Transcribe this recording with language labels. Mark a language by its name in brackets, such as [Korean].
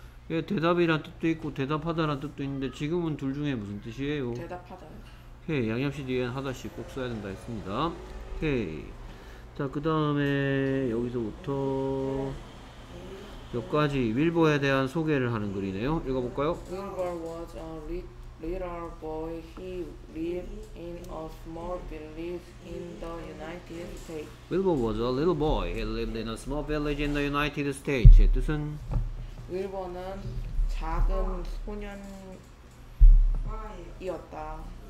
[Korean] 예, 대답이란 뜻도 있고 대답하다란 뜻도 있는데 지금은 둘 중에 무슨 뜻이에요? 대답하다. 오케이, 양념식 뒤에 하다시 꼭 써야 된다 했습니다. 오케이, 자그 다음에 여기서부터 몇 가지 윌버에 대한 소개를 하는 글이네요. 읽어볼까요? [English] Wilbur was a little boy. He lived in a small village in the United States. Wilbur was a little boy. He lived in a small village in the United States. [Korean] 뜻은 윌버는 작은 소년이었다.